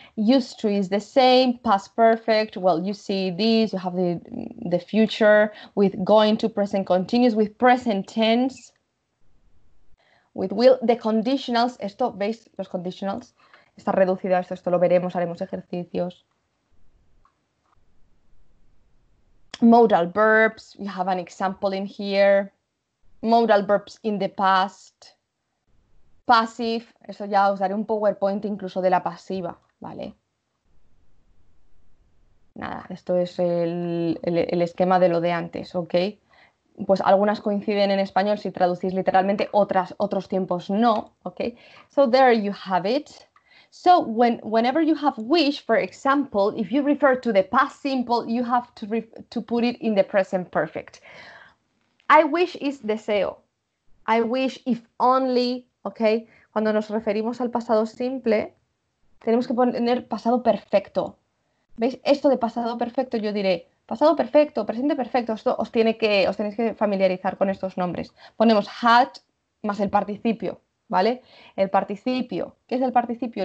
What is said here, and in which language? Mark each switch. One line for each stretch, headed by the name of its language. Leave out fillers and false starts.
English: Used to is the same, past perfect, well, you see this, you have the future, with going to present continuous, with present tense, with will, the conditionals,
Spanish: esto, ¿veis los conditionals? Está reducido a esto, esto lo veremos, haremos ejercicios.
English: Modal verbs, you have an example in here. Modal verbs in the past.
Spanish: Passive, eso ya os daré un PowerPoint incluso de la pasiva, ¿vale? Nada, esto es el esquema de lo de antes, ¿ok? Pues algunas coinciden en español si traducís literalmente, otras, otros tiempos no, ¿ok?
English: So there you have it. So whenever you have wish, for example, if you refer to the past simple, you have to put it in the present perfect. I wish is deseo. I wish if only, ¿ok?
Spanish: Cuando nos referimos al pasado simple, tenemos que poner pasado perfecto. ¿Veis? Esto de pasado perfecto yo diré, pasado perfecto, presente perfecto, esto os tiene que, os tenéis que familiarizar con estos nombres. Ponemos had más el participio, ¿vale? El participio, ¿qué es el participio?